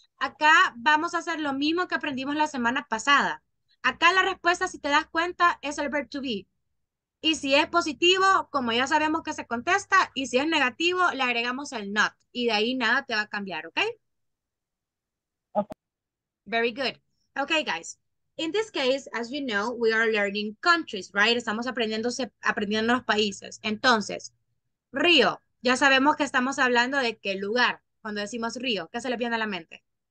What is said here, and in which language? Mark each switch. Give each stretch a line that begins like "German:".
Spanish: Acá vamos a hacer lo mismo que aprendimos la semana pasada. Acá la respuesta, si te das cuenta, es el verb to be. Y si es positivo, como ya sabemos que se contesta, y si es negativo, le agregamos el not. Y de ahí nada te va a cambiar, ¿ok?
English: Very good. Okay, guys. In this case, as you know, we are learning countries, right?
Spanish: Estamos aprendiendo los países. Entonces, río. Ya sabemos que estamos hablando de qué lugar. Cuando decimos río, ¿qué se le viene a la mente?